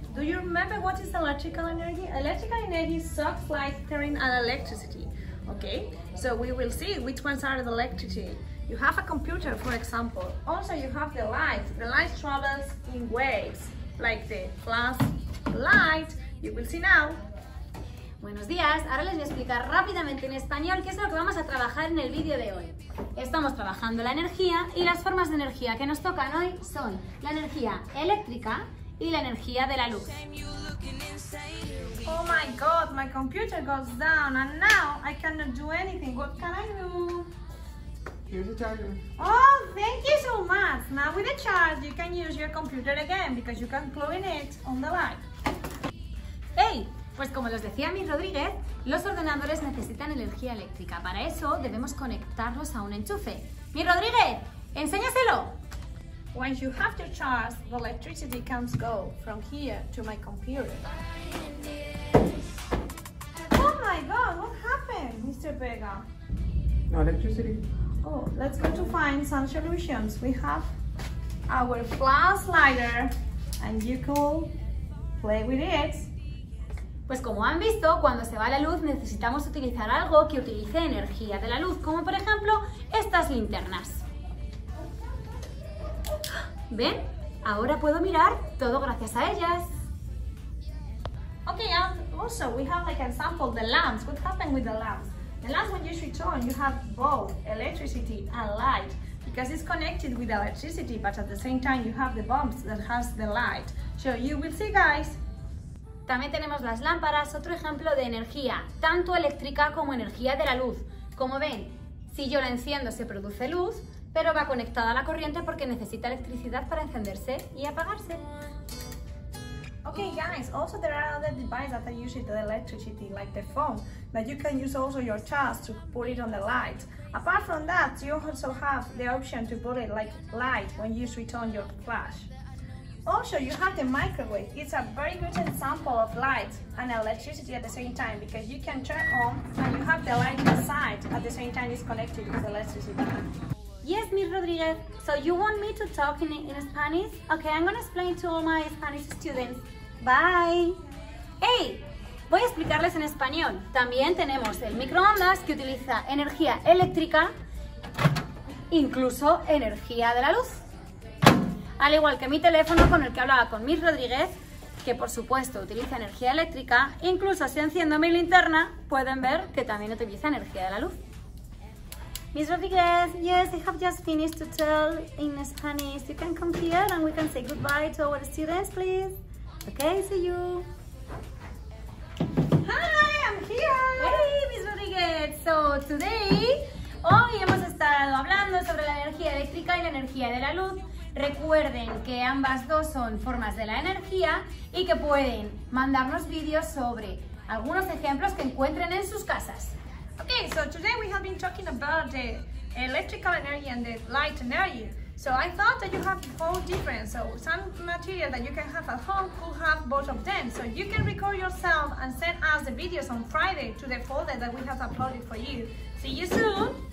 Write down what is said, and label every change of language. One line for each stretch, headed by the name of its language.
English: Do you remember what is electrical energy? Electrical energy sucks light, current, and electricity. Okay, so we will see which ones are the electricity. You have a computer, for example. Also, you have the light. The light travels in waves, like the flash light. You will see now.
Spanish: Buenos días. Ahora les voy a explicar rápidamente en español qué es lo que vamos a trabajar en el vídeo de hoy. Estamos trabajando la energía y las formas de energía que nos tocan hoy son la energía eléctrica y la energía de la luz.
English: Oh my god, my computer goes down and now I cannot do anything. What can I do? Here's a charger. Oh, thank you so much. Now with a charge you can use your computer again because you can plug in it on the light.
Spanish: Hey, pues como les decía mi Rodríguez, los ordenadores necesitan energía eléctrica. Para eso debemos conectarlos a un enchufe. Mi Rodríguez, enséñaselo.
English: When you have your charge, the electricity comes go from here to my computer. Oh my god, what happened, Mr. Vega? No electricity. Oh, let's go to find some solutions. We have our flash lighter and you could play with it.
Spanish: Pues como han visto, cuando se va la luz necesitamos utilizar algo que utilice energía de la luz, como por ejemplo estas linternas. ¿Ven? Ahora puedo mirar todo gracias a ellas.
English: Ok, and also we have like an example, the lamps. What happened with the lamps? The lamps when you switch on, you have both electricity and light because it's connected with electricity, but at the same time you have the bulbs that has the light. So you will see, guys.
Spanish: También tenemos las lámparas, otro ejemplo de energía, tanto eléctrica como energía de la luz. Como ven, si yo la enciendo se produce luz, pero va conectada a la corriente porque necesita electricidad para encenderse y apagarse.
English: Okay, guys, also there are other devices that are using the electricity, like the phone, that you can use also your charge to put it on the light. Apart from that, you also have the option to put it like light when you switch on your flash. Also, you have the microwave. It's a very good example of light and electricity at the same time because you can turn on and you have the light inside at the same time it's connected with electricity. Yes, Ms. Rodriguez. So you want me to talk in Spanish? Okay, I'm gonna explain to all my Spanish students.
Spanish: Bye. Hey, voy a explicarles en español. También tenemos el microondas que utiliza energía eléctrica, incluso energía de la luz. Al igual que mi teléfono con el que hablaba con Ms. Rodriguez, que por supuesto utiliza energía eléctrica, incluso si enciendo mi linterna, pueden ver que también utiliza energía de la luz.
English: Ms. Rodriguez, yes, I have just finished to tell in Spanish. You can come here and we can say goodbye to our students, please. Okay, see you. Hi, I'm here. Hey, Ms. Rodriguez. So today,
Spanish: hoy hemos estado hablando sobre la energía eléctrica y la energía de la luz. Recuerden que ambas dos son formas de la energía y que pueden mandarnos vídeos sobre algunos ejemplos que encuentren en sus casas.
English: Okay, so today we have been talking about the electrical energy and the light energy. So I thought that you have both different. So some material that you can have at home could have both of them. So you can record yourself and send us the videos on Friday to the folder that we have uploaded for you. See you soon